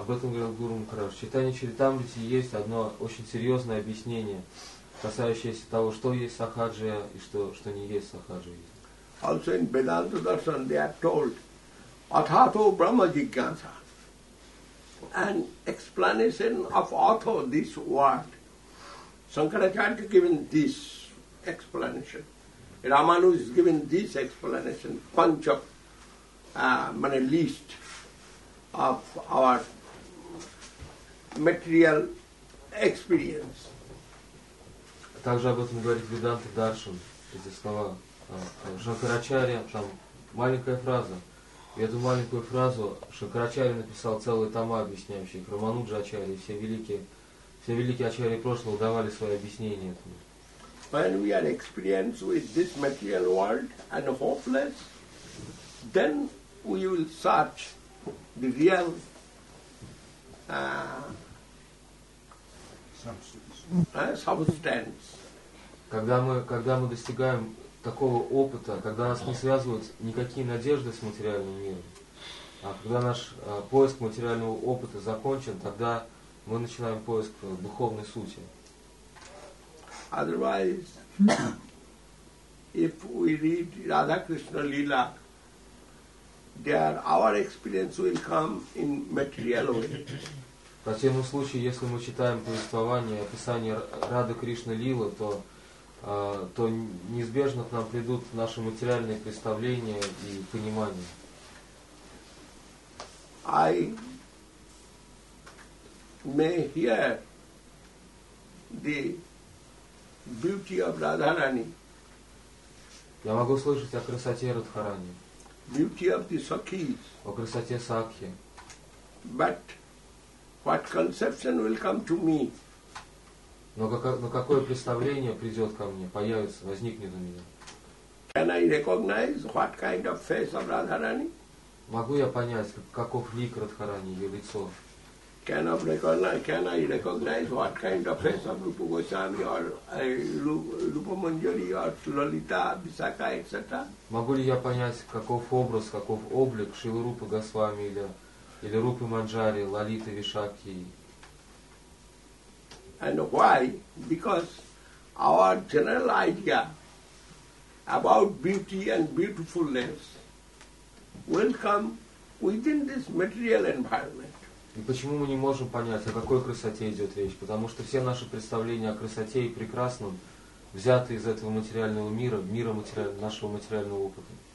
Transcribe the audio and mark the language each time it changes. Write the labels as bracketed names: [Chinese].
[Russian] Об этом говорил Гуру Махарадж. В Читании Чаритамриты есть одно очень серьезное объяснение, касающееся того, что есть сахаджия и что не есть сахаджия. [English] Also in Vedanta Darshan they are told Athato Brahma Jigyasa. And explanation of Atho, this word. Shankaracharya given this explanation. Ramanu is given this explanation, punch of many least of our material experience. [Russian] Также об этом говорит Веданта Даршан, эти слова Шанкарачарья, там маленькая фраза. И эту маленькую фразу Шанкарачарья написал целые тома, объясняющие Рамануджа Ачарья, все великие Ачарьи прошлого давали свои объяснения этому. [English] When we are experienced with this material world and hopeless, then we will search the real substance. [Russian] Когда мы достигаем такого опыта, когда нас не связывают никакие надежды с материальным миром, а когда наш поиск материального опыта закончен, тогда мы начинаем поиск духовной сути. [English] Otherwise, if we read Radha Krishna Leela, there our experience will come in material way. [Russian] В противном случае, если мы читаем повествование, описание Радха Кришна Лила, то неизбежно к нам придут наши материальные представления и понимание. [English] I may hear the beauty of Radharani. [Russian] Я могу слышать о красоте Радхарани. [English] Beauty of the Sakhis. [Russian] О красоте Сакхи. [English] But what conception will come to me? [Russian] Но какое представление придет ко мне, появится, возникнет у меня? [English] Can I recognize what kind of face of Radharani? [Russian] Могу я понять, каков лик Радхарани, ее лицо? [English] Can I recognize what kind of face of Rupa Goswami or Rupa Manjari or Lalita, Visakha, etc.? [Russian] Могу ли я понять, каков образ, каков облик Шрилы Рупы Госвами или Рупы Манджари, Лалиты, Вишакхи? [English] And why? Because our general idea about beauty and beautifulness will come within this material environment. [Russian] И почему мы не можем понять, о какой красоте идет речь? Потому что все наши представления о красоте и прекрасном взяты из этого материального мира, мира нашего материального опыта.